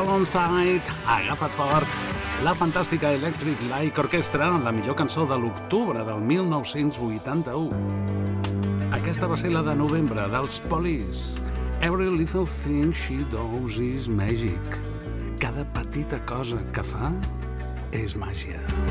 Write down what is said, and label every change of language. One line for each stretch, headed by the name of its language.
Catalan: Tonight, agafa't fort, la fantàstica Electric Light Orchestra, la millor cançó de l'octubre del 1981. Aquesta va ser la de novembre, dels Police.
English: Every little thing she does is magic.
Catalan: Cada petita cosa que fa és màgia.